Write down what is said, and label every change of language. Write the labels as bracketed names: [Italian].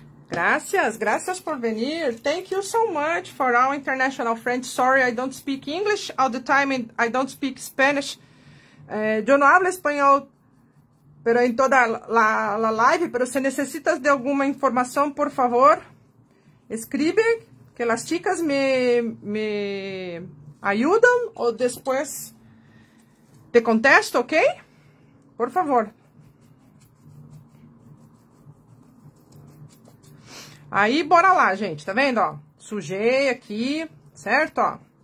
[Spanish] Gracias, gracias por venir. [English] Thank you so much for our international friends. Sorry, I don't speak English all the time and I don't speak Spanish. [Spanish] Yo no hablo español. Pero en toda la live, pero si necesitas de alguna información, por favor... [Portuguese] Escribe, que as chicas me ajudam ou depois [Spanish] te contesto, [Portuguese] ok? [Spanish] Por favor. [Portuguese] Aí, bora lá, gente. Tá vendo, ó? Sujei aqui, certo, ó?